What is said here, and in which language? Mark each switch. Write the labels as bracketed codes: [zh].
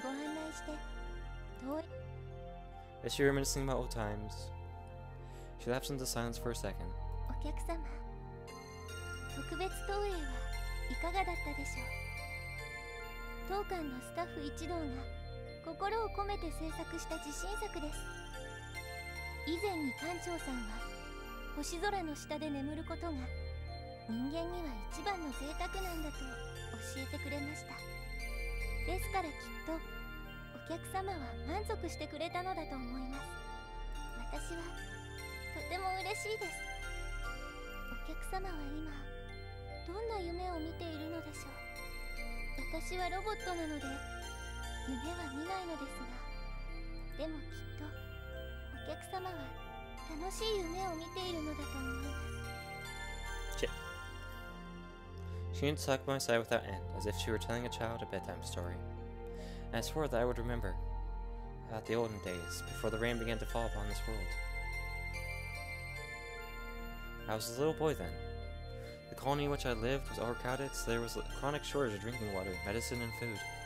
[ja] お客様の中には、投影中に眠ってしまう方もたくさんいます。途中で泣き出してしまう子供のお客様もいます。そんな時には、私が非常口から外にご案内して、投影… [en] As she reminisced about old times, she lapsed into silence for a second. [ja] お客様、特別投影はいかがだったでしょう。当館のスタッフ一同が心を込めて制作した自信作です。以前に館長さんは、星空の下で眠ることが人間には一番の贅沢なんだと教えてくれました。ですからきっと、客様は満足してくれたのだと思います。私はとても嬉しいです。お客様は今どんな夢を見ているのでしょう。私はロボットなので夢は見ないのですが、でもきっとお客様は楽しい夢を見ているのだと思います。 [en] She didn't suck my side without end, as if she were telling a child a bedtime story. And I swore that I would remember about the olden days, before the rain began to fall upon this world. I was a little boy then. The colony in which I lived was overcrowded, so there was a chronic shortage of drinking water, medicine, and food.